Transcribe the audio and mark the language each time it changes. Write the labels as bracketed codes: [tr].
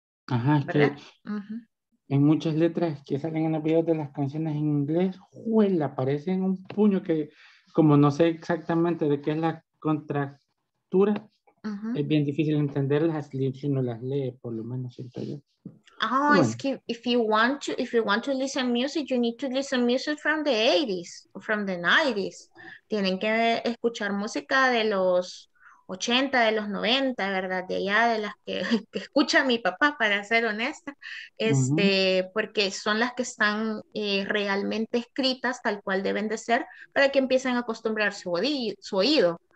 [es] Ajá, es que en muchas letras que salen en los videos de las canciones en inglés, juela, aparecen un puño que, como no sé exactamente de qué es la contractura, Uh-huh. Es bien difícil entenderlas si no las lee, por lo menos siento yo. Oh, bueno. Es que [en] if you want to listen music, you need to listen music from the 80s or from the 90s. [es] Tienen que escuchar música de los 80, de los 90, ¿verdad? De allá, de las que escucha mi papá, para ser honesta. Este, uh-huh. Porque son las que están realmente escritas tal cual deben de ser, para que empiecen a acostumbrar su oído.